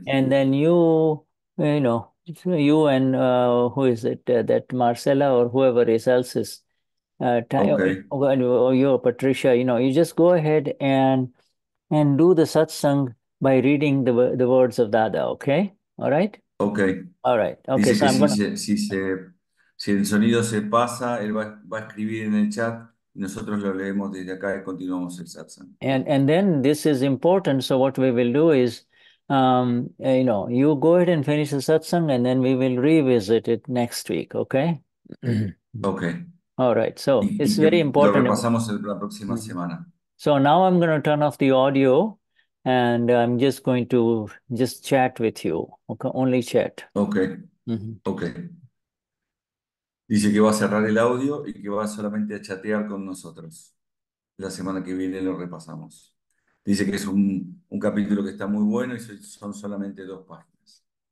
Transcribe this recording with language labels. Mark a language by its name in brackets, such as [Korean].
[English] And then you and who is it, that Marcella or whoever else is you're Patricia, you just go ahead and do the satsang by reading the words of Dada, okay? All right? Okay. All right. Okay, so I'm going to... [Spanish] Si el sonido se pasa, él va a escribir en el chat. Nosotros lo leemos desde acá y continuamos el satsang. [English] And then this is important. So what we will do is, you go ahead and finish the satsang and then we will revisit it next week, okay? Okay. All right. So it's very important. [Spanish] Lo repasamos la próxima semana. [English] So now I'm going to turn off the audio and I'm just going to just chat with you. Okay. Only chat. Okay. Mm-hmm. Okay. [Spanish] Dice que va a cerrar el audio y que va solamente a chatear con nosotros. La semana que viene lo repasamos. Dice que es un capítulo que está muy bueno y son solamente 2 páginas.